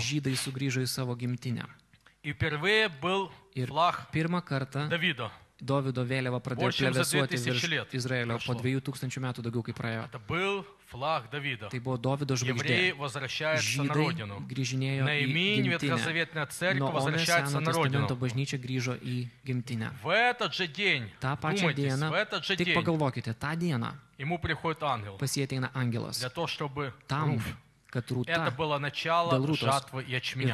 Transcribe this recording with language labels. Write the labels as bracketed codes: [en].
[lt] Жидai sugrįžo į savo gimtinę. [ru] И впервые был флаг. [lt] Pirmą kartą. Davido. Довидо вėliava pradėjo plevėsuoti virš Izraelio po 2000 metų daugiau kaip praėjo. [ru] Это был флаг Давида. [lt] Tai buvo Dovido žvaigždė. [ru] Евреи возвращаются на родину. [lt] Grįžinėjo į gimtinę. [ru] Наимень ветхозаветная церковь возвращается на родину. [lt] Но bažnyčia grįžo į gimtinę. [ru] В этот же день. [lt] Tą pačią dieną. [ru] В этот же день. [lt] Tik pagalvokite, tą dieną. [ru] Ему приходит ангел. [lt] Pas jį ateina angelas. [ru] Для того, чтобы [lt] там, kad rūta, [ru] это было начало жатвы ячменя.